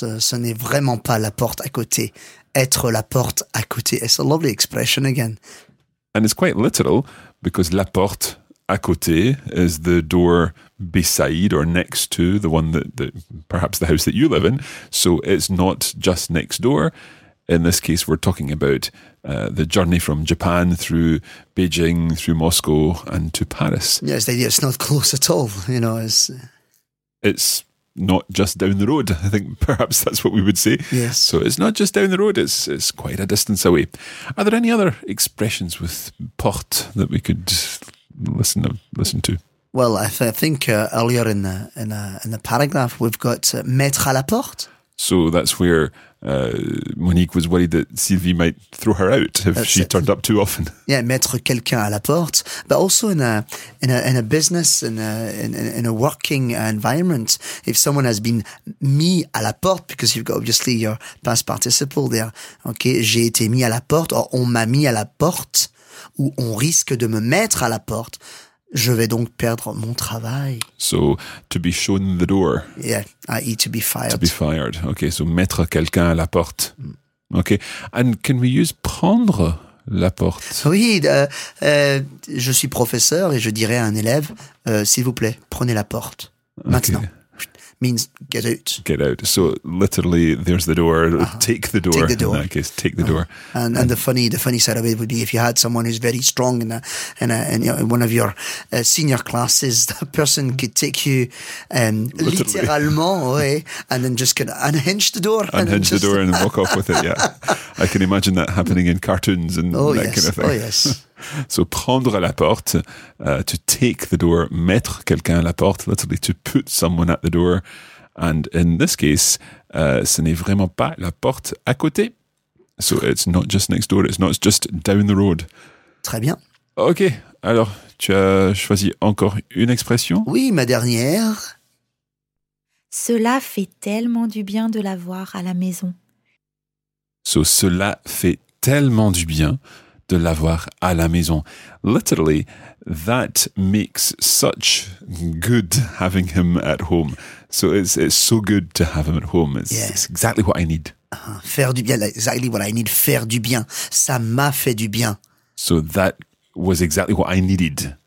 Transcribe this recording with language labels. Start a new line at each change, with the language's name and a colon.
French: Ce n'est vraiment pas la porte à côté. Être la porte à côté.
English: It's a lovely expression again. And it's quite literal, because la porte à côté is the door beside or next to the one that perhaps the house that you live in. So it's not just next door. In this case, we're talking about the journey from Japan through Beijing, through Moscow and to Paris. Yes, it's not close at all. You know, it's not just down the road. I think perhaps that's what we would say. Yes. So it's not just down the road. It's quite a distance away. Are there any other expressions with porte that we could listen to? Well, I think earlier in the paragraph, we've got mettre à la porte. So that's where Monique was worried that Sylvie might throw her out if she turned up too often. Yeah,
French: mettre quelqu'un à la porte,
English: but also in a business and in a working environment, if someone has been mis à la porte, because you've got obviously your past participle there.
French: Okay, j'ai été mis à la porte, or on m'a mis à la porte, ou on risque de me mettre à la porte. Je vais donc perdre mon travail.
English: So, to be shown the door. Yeah, i.e. to be fired. To be fired. Okay, so
French: mettre quelqu'un à la porte.
English: Okay, and can we use prendre la porte?
French: Oui, je suis professeur et je dirais à un élève, s'il vous plaît, prenez la porte. Maintenant.
English: Okay. Means get out. Get out. So literally, there's the door. Uh-huh. Take the door. Take the door. In that case, take the door. And the funny side of it would be if you had someone who's very strong in one of your senior classes, that person could take you literally away, and then just kind of unhinge the door. Unhinge the door and walk off with it, yeah. I can imagine that happening in cartoons and kind of thing. Oh, yes. So
French: prendre à la porte,
English: to take the door,
French: mettre quelqu'un à la porte,
English: literally to put someone at the door. And in this case,
French: ce n'est vraiment pas la porte à côté.
English: So it's not just next door, it's not just down the road.
French: Très bien.
English: Okay,
French: Alors, tu as choisi encore une expression ? Oui, ma dernière. Cela fait tellement du bien de l'avoir à la maison. So, cela fait tellement du bien de l'avoir à la maison.
English: Literally, that makes such good having him at home. So, it's so good to have him at home. It's exactly what I need.
French: Faire du bien,
English: exactly what I need.
French: Faire du bien. Ça m'a fait du bien.
English: So, that was exactly what I needed.